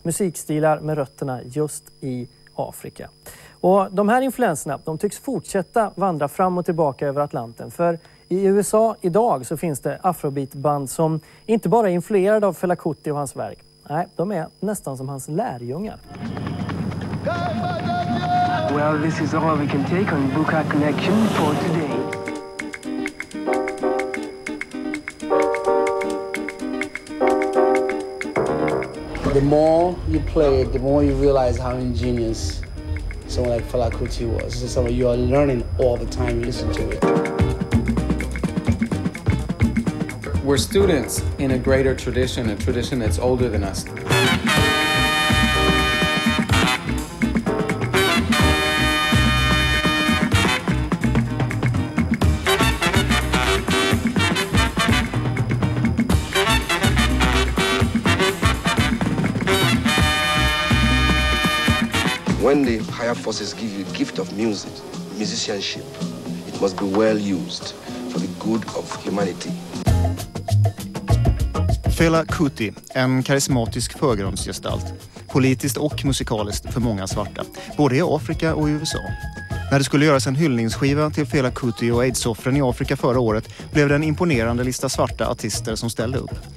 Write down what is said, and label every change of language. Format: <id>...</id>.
<sv>Musikstilar med rötterna just i Afrika. Och de här influenserna, de tycks fortsätta vandra fram och tillbaka över Atlanten. För i USA idag så finns det afrobeatband som inte bara är influerade av Fela Kuti och hans verk. Nej, de är nästan som hans lärjungar.</sv> <en>Well, this is all we can take on Buka Connection for today. The more you play, the more you realize how ingenious someone like Fela Kuti was. It's something you are learning all the time you listen to it. We're students in a greater tradition, a tradition that's older than us. When the higher forces give you the gift of music, musicianship, it must be well used for the good of humanity.</en> <sv>Fela Kuti, en karismatisk förgrundsgestalt, politiskt och musikaliskt för många svarta, både i Afrika och i USA. När det skulle göras en hyllningsskiva till Fela Kuti och AIDS-offren i Afrika förra året blev det en imponerande lista svarta artister som ställde upp.</sv>